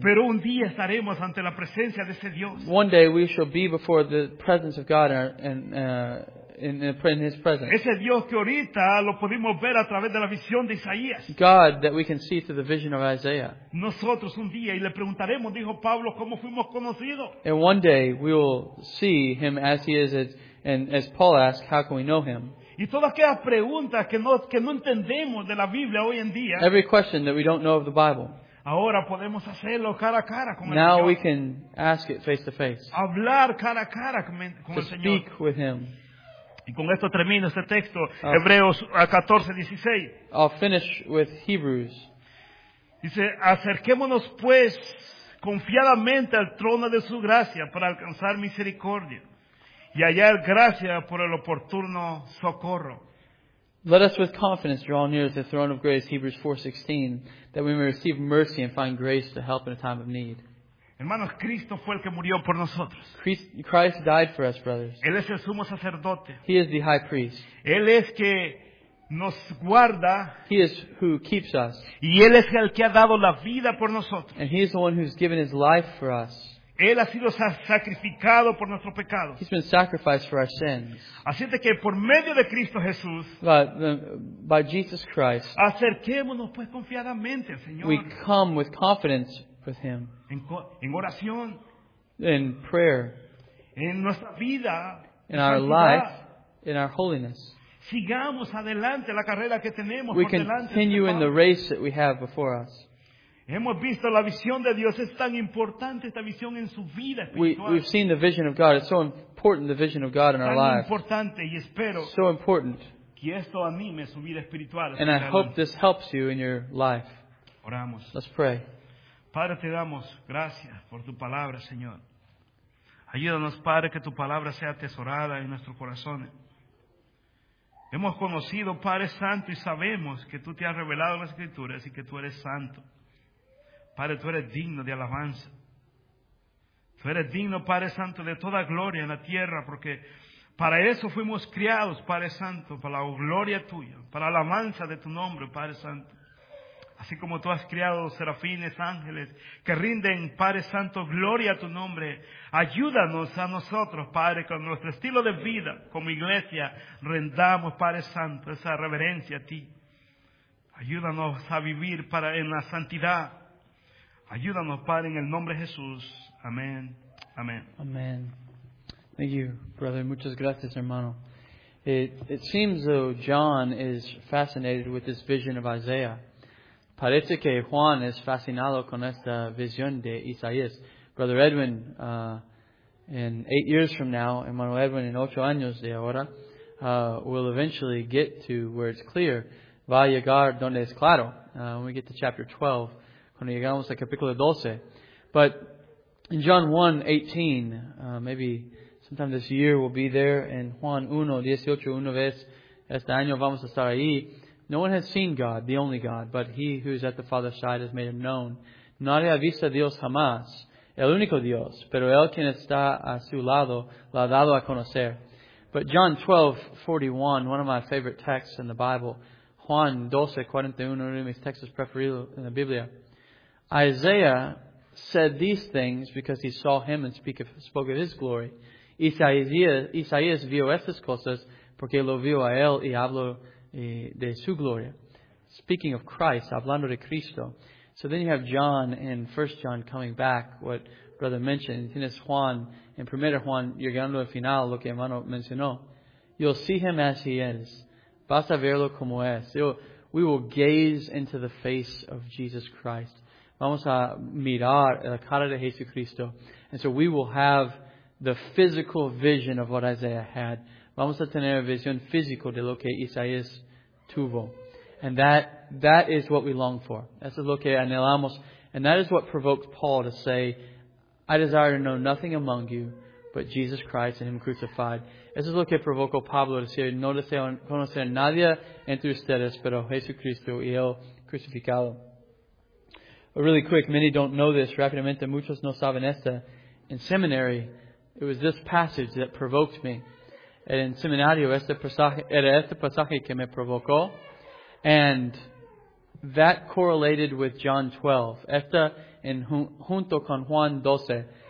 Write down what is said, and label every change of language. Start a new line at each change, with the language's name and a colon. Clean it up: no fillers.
Spanish: Pero un día estaremos ante la presencia de ese Dios.
English: One day we shall be before the presence of God in His presence.
Spanish: Ese Dios que ahorita lo pudimos ver a través de la visión de Isaías.
English: God that we can see through the vision of Isaiah.
Spanish: Nosotros un día y le preguntaremos, dijo Pablo, cómo fuimos conocidos.
English: And one day we will see Him as He is, and as Paul asked, how can we know Him?
Spanish: Y todas aquellas preguntas que no entendemos de la Biblia hoy en día.
English: Every question that we don't know of the Bible.
Spanish: Ahora podemos hacerlo cara a cara con el
English: Now
Spanish: Señor.
English: We can ask it face to face.
Spanish: Hablar cara a cara con el Señor.
English: To speak with Him.
Spanish: Y con esto termino este texto, Hebreos 14:16.
English: I'll finish with Hebrews.
Spanish: Dice, acerquémonos pues confiadamente al trono de su gracia para alcanzar misericordia y hallar gracia por el oportuno socorro.
English: Let us with confidence draw near to the throne of grace, Hebrews 4:16, that we may receive mercy and find grace to help in a time of need.
Spanish: Hermanos, Cristo fue el que murió por nosotros.
English: Christ died for us, brothers.
Spanish: Él es el sumo sacerdote.
English: He is the high priest.
Spanish: Él es que nos guarda.
English: He is who keeps us.
Spanish: Y Él es el que ha dado la vida por nosotros.
English: And He is the one who's given His life for us.
Spanish: Él ha sido sacrificado por nuestro pecado.
English: He's been sacrificed for our sins.
Spanish: Así de que por medio de Cristo Jesús,
English: by Jesus Christ,
Spanish: acerquémonos pues confiadamente al Señor.
English: We come with confidence with Him.
Spanish: En oración,
English: in prayer,
Spanish: en nuestra vida,
English: in our life, in our holiness.
Spanish: Sigamos adelante la carrera que tenemos.
English: We continue in the race that we have before us.
Spanish: Hemos visto la visión de Dios. Es tan importante esta visión en su vida espiritual.
English: We've seen the vision of God. It's so important, the vision of God in our lives.
Spanish: Tan importante, y espero,
English: so important,
Spanish: que esto anime su vida espiritual.
English: And I hope this helps you in your life.
Spanish: Oramos.
English: Let's pray.
Spanish: Padre, te damos gracias por tu palabra, Señor. Ayúdanos, Padre, que tu palabra sea atesorada en nuestros corazones. Hemos conocido, Padre Santo, y sabemos que tú te has revelado en las Escrituras y que tú eres santo. Padre, tú eres digno de alabanza. Tú eres digno, Padre Santo, de toda gloria en la tierra, porque para eso fuimos criados, Padre Santo, para la gloria tuya, para la alabanza de tu nombre, Padre Santo. Así como tú has creado serafines, ángeles, que rinden, Padre Santo, gloria a tu nombre. Ayúdanos a nosotros, Padre, con nuestro estilo de vida, como iglesia, rendamos, Padre Santo, esa reverencia a ti. Ayúdanos a vivir para en la santidad. Ayúdanos, Padre, en el nombre de Jesús. Amén. Amén. Amén.
English: Thank you, brother.
Spanish: Muchas gracias, hermano.
English: It seems though John is fascinated with this vision of Isaiah.
Spanish: Parece que Juan es fascinado con esta visión de Isaías.
English: Brother Edwin, in 8 years from now, Emmanuel Edwin, in
Spanish: 8 años de ahora,
English: will eventually get to where it's clear.
Spanish: Va a llegar donde es claro.
English: When we get to chapter 12,
Spanish: cuando llegamos a capítulo 12.
English: But in John 1:18, maybe sometime this year we'll be there.
Spanish: In Juan 1:18, una vez este año vamos a estar ahí.
English: No one has seen God, the only God, but He who is at the Father's side has made Him known.
Spanish: Nadie ha visto a Dios jamás. el único Dios, pero el quien está a su lado lo ha dado a conocer.
English: But John 12:41, one of my favorite texts in the Bible.
Spanish: Juan 12:41, uno de mis textos preferidos en la Biblia.
English: Isaiah said these things because he saw him and spoke of his glory.
Spanish: Isaías vio estas cosas porque lo vio a él y habló de su gloria.
English: Speaking of Christ,
Spanish: hablando de Cristo.
English: So then you have John and 1 John coming back, what brother mentioned.
Spanish: Tienes Juan en primera Juan, llegando al final, lo que hermano mencionó.
English: You'll see him as he is.
Spanish: Vas a verlo como es.
English: We will gaze into the face of Jesus Christ.
Spanish: Vamos a mirar la cara de Jesucristo.
English: And so we will have the physical vision of what Isaiah had.
Spanish: Vamos a tener visión física de lo que Isaías tuvo.
English: And that is what we long for.
Spanish: Eso es lo que anhelamos.
English: And that is what provoked Paul to say, I desire to know nothing among you but Jesus Christ and Him crucified.
Spanish: Eso es lo que provocó Pablo a decir, no deseo conocer a nadie entre ustedes, pero Jesucristo y Él crucificado.
English: But really quick, many don't know this.
Spanish: Rápidamente, muchos no saben esta.
English: In seminary, it was this passage that provoked me.
Spanish: En seminario, este pasaje que me provocó.
English: And that correlated with John 12.
Spanish: Esta en junto con Juan 12.